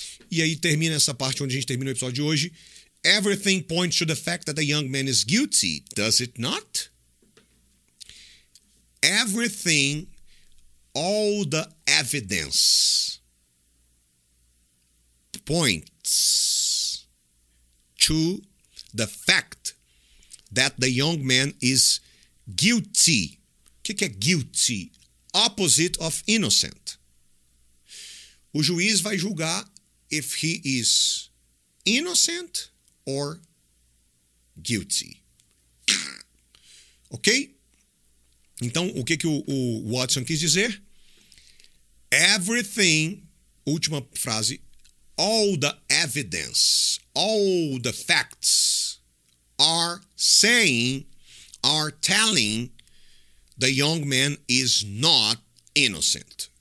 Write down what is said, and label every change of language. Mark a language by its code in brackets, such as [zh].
[pt] E aí termina essa parte onde a gente termina o episódio de hoje. [en] Everything points to the fact that the young man is guilty, does it not? Everything, all the evidence points to the fact that the young man is guilty. [pt] O que é guilty? [en] Opposite of innocent. [pt] O juiz vai julgar [en] if he is innocent or guilty. Ok? [pt] Então, o que, que o Watson quis dizer? [en] Everything, [pt] última frase, [en] all the evidence, all the facts are saying, are telling the young man is not innocent.